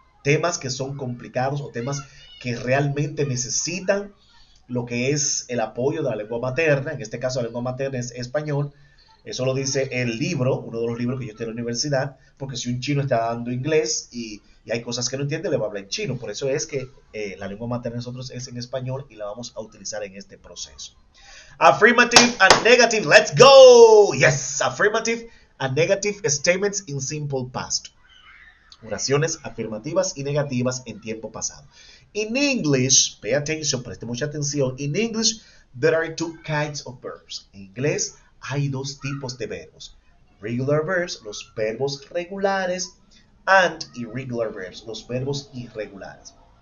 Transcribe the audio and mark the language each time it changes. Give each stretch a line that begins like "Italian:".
Spanish: Temas que son complicados o temas que realmente necesitan lo que es el apoyo de la lengua materna, en este caso la lengua materna es español, eso lo dice el libro, uno de los libros que yo estoy en la universidad, porque si un chino está dando inglés y hay cosas que no entiende, le va a hablar en chino. Por eso es que la lengua materna de nosotros es en español y la vamos a utilizar en este proceso.
English: Affirmative and negative, let's go. Yes, affirmative and negative statements in simple past.
Spanish: Oraciones afirmativas y negativas en tiempo pasado.
English: In English, pay attention,
Spanish: preste mucha atención.
English: In English, There are two kinds of verbs.
Spanish: En inglés hay dos tipos de verbos.
English: Regular verbs,
Spanish: los verbos regulares,
English: and irregular verbs,
Spanish: los verbos irregulares.